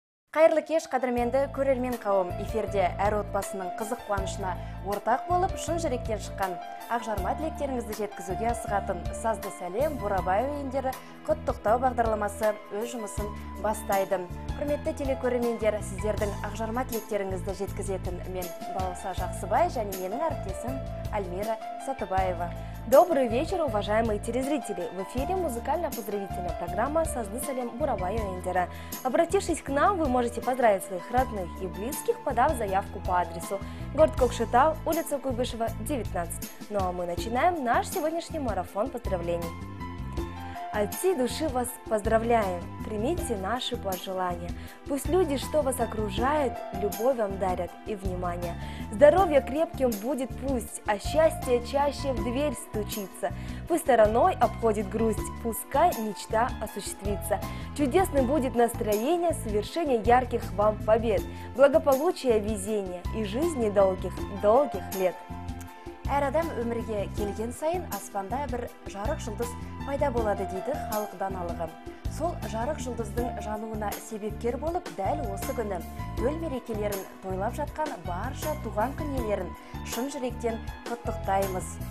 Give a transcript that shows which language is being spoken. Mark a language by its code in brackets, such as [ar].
[kk] Қайырлы кеш, қадірменді көрермен қауым. Эфирде әр отбасының қызық қуанышына ортақ болып, шын жүректен шыққан ақжарма тілектеріңізді жеткізуге асығатын сазды сәлем, Бурабаев ендері құттықтау бағдарламасы өз жұмысын бастайды. Құрметті телекөрермендер, сіздердің ақжарма тілектеріңізді жеткізетін мен Балауса Жақсыбай және менің әріптесім Альмира Сатыбаева. [ru] Добрый вечер, уважаемые телезрители! В эфире музыкально-поздравительная программа «Сазды сәлем» Бурабаева ендері. Обратившись к нам, вы можете поздравить своих родных и близких, подав заявку по адресу город Кокшетау, улица Куйбышева, 19. Ну а мы начинаем наш сегодняшний марафон поздравлений. От всей души вас поздравляем, примите наши пожелания. Пусть люди, что вас окружают, любовь вам дарят и внимание. Здоровье крепким будет пусть, а счастье чаще в дверь стучится. Пусть стороной обходит грусть, пускай мечта осуществится. Чудесным будет настроение, совершение ярких вам побед. Благополучия, везения и жизни долгих, долгих лет. [kk] Әр адам өмірге келген сайын аспанда бір жарық жұлдыз пайда болады дейді халық даналығы. Сол жарық жұлдыздың жануына себепкер болып дәл осы күні төл мерекелерін тойлап жатқан барша туған күн иелерін шын жүректен құттықтаймыз.